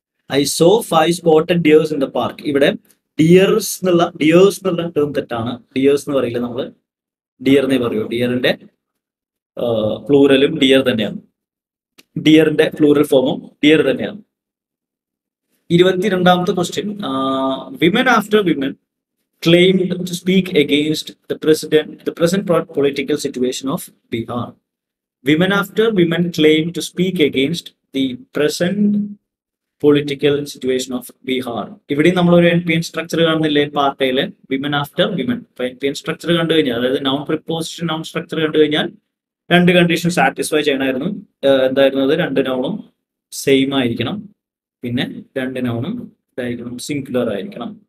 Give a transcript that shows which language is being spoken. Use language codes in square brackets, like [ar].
[en] I saw five spotted deers in the park. [ml] ഇവിടെ dears എന്നുള്ള term തെറ്റാണ്. Dears എന്ന് പറയില്ല, നമ്മൾ ഡിയർ എന്നേ പറയൂ. ഡിയറിന്റെ പ്ലൂറലും ഡിയർ തന്നെയാണ്, ഡിയറിന്റെ പ്ലൂറൽ ഫോമും ഡിയർ തന്നെയാണ്. ഇരുപത്തിരണ്ടാമത്തെ question, [en] Women after women claimed to speak against the president, the present political situation of Bihar. Women after women claimed to speak against the present political situation of Bihar. [ml] ഇവിടെ നമ്മൾ ഒരു N P N structure കാണുന്നില്ലേ പാർട്ടിയിലെ, [en] Women after women. [ml] അപ്പൊ N P N structure കണ്ടു കഴിഞ്ഞാൽ, അതായത് noun preposition noun structure കണ്ടു കഴിഞ്ഞാൽ രണ്ട് കണ്ടീഷൻ സാറ്റിസ്ഫൈ ചെയ്യണമായിരുന്നു. എന്തായിരുന്നു അത്? രണ്ട് നൗണും സെയിം ആയിരിക്കണം, പിന്നെ രണ്ട് നൗണും സിംഗുലർ ആയിരിക്കണം.